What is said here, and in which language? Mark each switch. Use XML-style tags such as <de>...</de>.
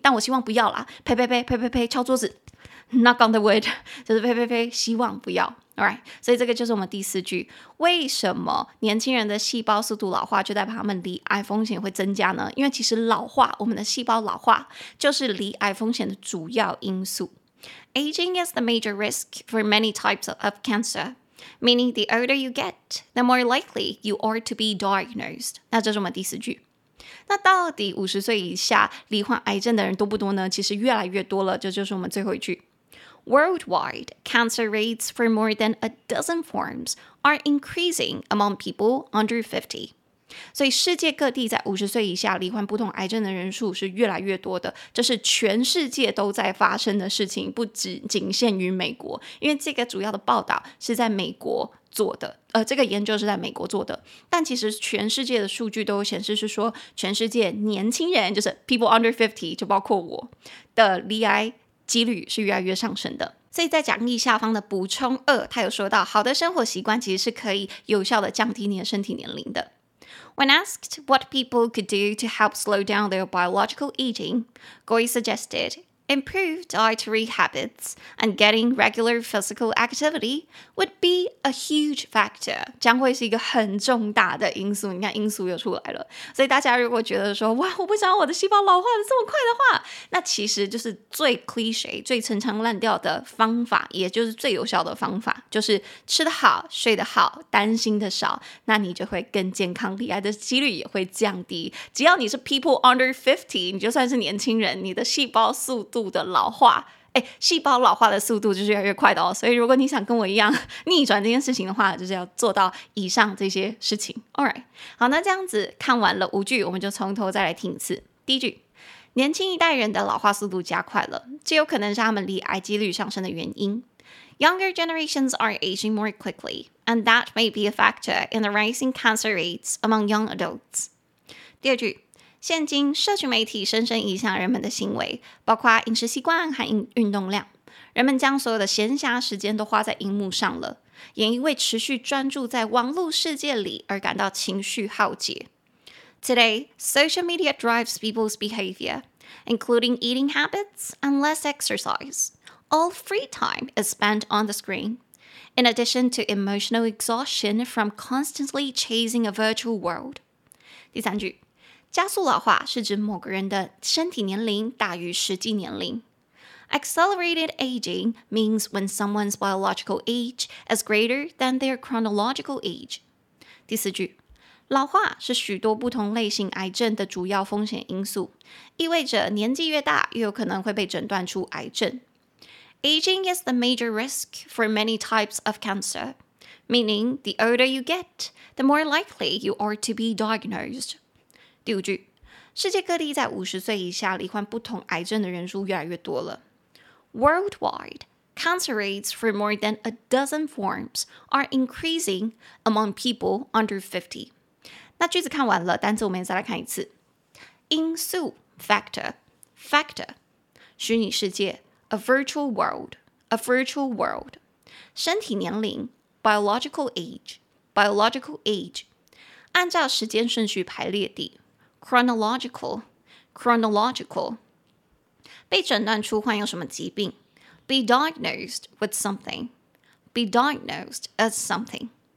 <zh>但我希望不要啦，呸呸呸呸呸呸，敲桌子</zh> <en>Knock on the wood.</en> <zh>就是呸呸呸，希望不要。 Alright, 所以这个就是我们第四句，为什么年轻人的细胞速度老化就代表他们罹癌风险会增加呢？因为其实老化，我们的细胞老化就是罹癌风险的主要因素。</zh> <en>Aging is the major risk for many types of cancer, meaning the older you get, the more likely you are to be diagnosed.</en> <zh>那这是我们第四句。那到底50岁以下罹患癌症的人多不多呢？其实越来越多了，这就是我们最后一句。</zh> <en>Worldwide, cancer rates for more than a dozen forms are increasing among people under 50.</en> <zh>所以世界各地在50岁以下罹患不同癌症的人数是越来越多的，这是全世界都在发生的事情，不只仅限于美国，因为这个主要的报道是在美国做的，这个研究是在美国做的，但其实全世界的数据都显示是说全世界年轻人，就是</zh> <en>people under 50,</en> <zh>就包括我的罹癌几率是越来越上升的。所以在讲义下方的补充二，他有说到好的生活习惯其实是可以有效的降低你的身体年龄的。</zh> <en>When asked what people could do to help slow down their biological aging, Goy suggested improved dietary habits and getting regular physical activity would be a huge factor.</en> <zh>将会是一个很重大的因素，你看因素又出来了。所以大家如果觉得说，哇，我不想我的细胞老化的这么快的话，那其实就是最 cliche 最陈腔滥调的方法，也就是最有效的方法，就是吃得好，睡得好，担心的少，那你就会更健康，罹癌的几率也会降低。只要你是</zh> <en>people under 50,</en> <zh>你就算是年轻人，你的细胞素度的老化，细胞老化的速度就是越来越快的哦。所以如果你想跟我一样逆转这件事情的话，就是要做到以上这些事情。 Alright, 好，那这样子看完了五句，我们就从头再来听一次。第一句，年轻一代人的老化速度加快了，这有可能是他们罹癌几率上升的原因。</zh> <en>Younger generations are aging more quickly, and that may be a factor in the rising cancer rates among young adults.</en> <zh>第二句，现今社群媒体深深影响人们的行为，包括饮食习惯和运动量。人们将所有的闲暇时间都花在荧幕上了，也因为持续专注在网络世界里而感到情绪耗竭。</zh> <en>Today, social media drives people's behavior, including eating habits and less exercise. All free time is spent on the screen. In addition to emotional exhaustion from constantly chasing a virtual world.</en> <zh>第三句，加速老化是指某个人的身体年龄大于实际年龄。</zh> <en>Accelerated aging means when someone's biological age is greater than their chronological age.</en> <zh>第四句，老化是许多不同类型癌症的主要风险因素，意味着年纪越大越有可能会被诊断出癌症。</zh> <en>Aging is the major risk for many types of cancer, meaning the older you get, the more likely you are to be diagnosed.</en> <zh>第五句，世界各地在50岁以下罹患不同癌症的人数越来越多了。</zh> <en>Worldwide, cancer rates for more than a dozen forms are increasing among people under 50.</en> <zh>那句子看完了，单词我们再来看一次。因素 factor, 虚拟世界 a virtual world, 身体年龄 biological age, biological age， 按照时间顺序排列的 chronological， 被诊断出患有什么疾病 be diagnosed as something。</zh>